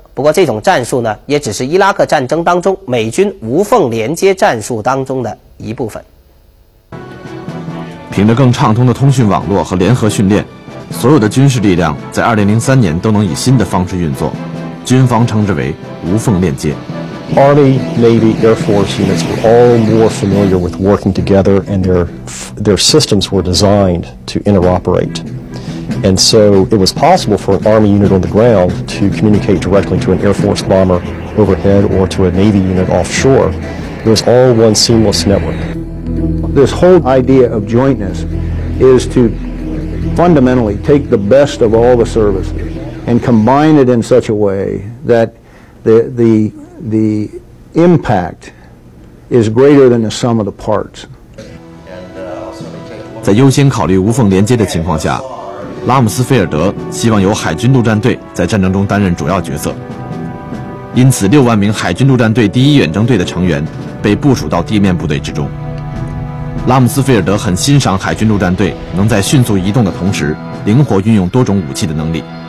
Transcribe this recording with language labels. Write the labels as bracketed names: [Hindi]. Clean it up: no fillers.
[Chinese] 不过这种战术呢，也只是伊拉克战争当中美军无缝连接战术当中的一部分。凭着更畅通的通讯网络和联合训练，所有的军事力量在2003年都能以新的方式运作，军方称之为无缝链接。 [English] Army, Navy, Air Force units were all more familiar with working together, and their systems were designed to interoperate. And so it was possible for an Army unit on the ground to communicate directly to an Air Force bomber overhead or to a Navy unit offshore. It was all one seamless network. This whole idea of jointness is to fundamentally take the best of all the services and combine it in such a way that the the impact is greater than the sum of the parts. [Chinese] 在优先考虑无缝连接的情况下，拉姆斯菲尔德希望由海军陆战队在战争中担任主要角色。因此，六万名海军陆战队第一远征队的成员被部署到地面部队之中。拉姆斯菲尔德很欣赏海军陆战队能在迅速移动的同时，灵活运用多种武器的能力。